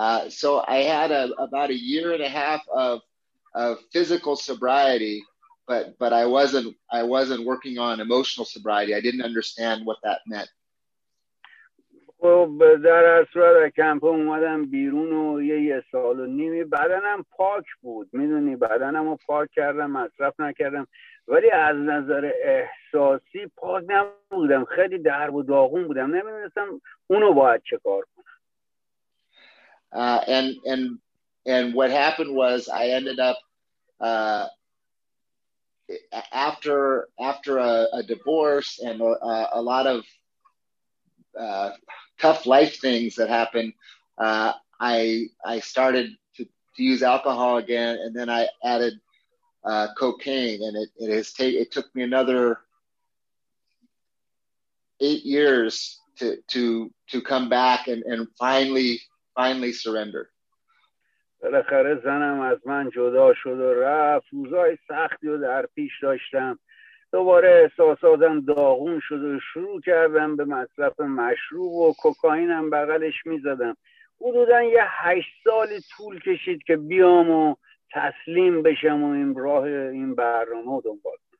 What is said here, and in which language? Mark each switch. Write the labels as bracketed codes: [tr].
[en] So I had about a year and a half of physical sobriety, but I wasn't working on emotional sobriety. I didn't understand what that meant. [fa] خب در اصورت کمپ اومدم بیرون و یه سال و نیمی بدنم پاک بود، میدونی بدنم رو پاک کردم، مصرف نکردم، ولی از نظر احساسی پاک نبودم، خیلی درب و داغون بودم، نمیدونستم اونو باید چه کار کنم. [en] And what happened was I ended up after a divorce and a lot of tough life things that happened, I started to use alcohol again, and then I added cocaine, and it took me another 8 years to come back and finally surrender. [fa] بالاخره زنم از من جدا شد و رفت. روزای سختی رو در پیش داشتم، دوباره احساساتم داغون شد و شروع کردم به مصرف مشروب و کوکائینم بغلش میزدم. حدودا یه 8 سال طول کشید که بیام و تسلیم بشم و این راه این برنامه دنبال.